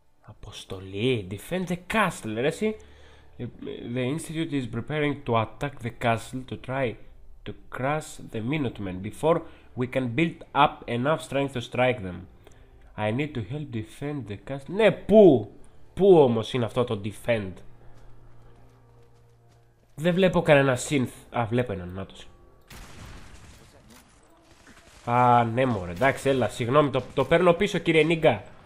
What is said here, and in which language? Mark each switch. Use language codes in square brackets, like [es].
[el] Αποστολή, [en] defend the castle, [el] ρε εσύ. [en] The institute is preparing to attack the castle to try to crush the Minutemen before we can build up enough strength to strike them. I need to help defend the castle. [el] Ναι, πού! Πού όμως είναι αυτό το defend? Δεν βλέπω κανένα synth. Α, βλέπω έναν, να τους. Α, ναι μωρέ, εντάξει, έλα, συγγνώμη, το παίρνω πίσω κύριε Νίγκα.